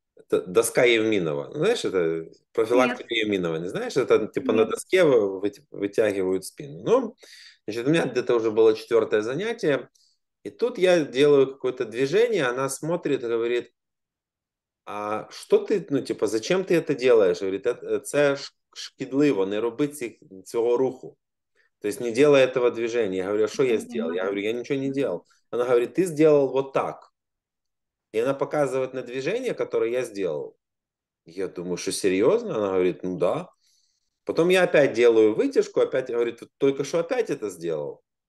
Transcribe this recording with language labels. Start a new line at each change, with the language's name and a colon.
Russian: Доска Евминова. Знаешь, это профилактика Евминова, не знаешь? Это типа на доске вытягивают спину. Ну, значит, у меня где-то уже было четвертое занятие, и тут я делаю какое-то движение, она смотрит и говорит, а что ты, ну, типа, зачем ты это делаешь? Говорит, это
Ukrainian: шкідливо, не роби цього руху.
Russian: То есть не делай этого движения. Я говорю, а что я сделал? Я говорю, я ничего не делал. Она говорит, ты сделал вот так. И она показывает на движение, которое я сделал. Я думаю, что серьезно? Она говорит, ну да. Потом я опять делаю вытяжку, опять говорит, только что опять это сделал.